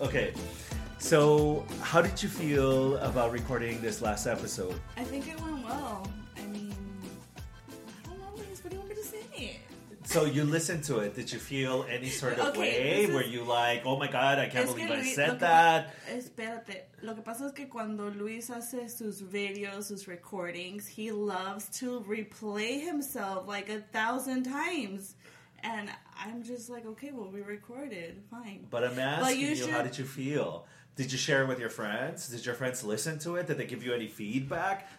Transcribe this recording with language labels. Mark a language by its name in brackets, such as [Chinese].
[English] Okay, so how did you feel about recording this last episode? I think it went well. I mean, I don't know, Liz. What do you want me to say? So you listened to it. Did you feel any sort of way? Were you like, oh my God, I can't believe I said that? [Spanish] Espérate. Lo que pasa es que cuando Luis hace sus videos, sus [English] recordings, he loves to replay himself like 1,000 times. And I'm just like, okay, well, we recorded. Fine. But I'm asking you, how did you feel? Did you share it with your friends? Did your friends listen to it? Did they give you any feedback?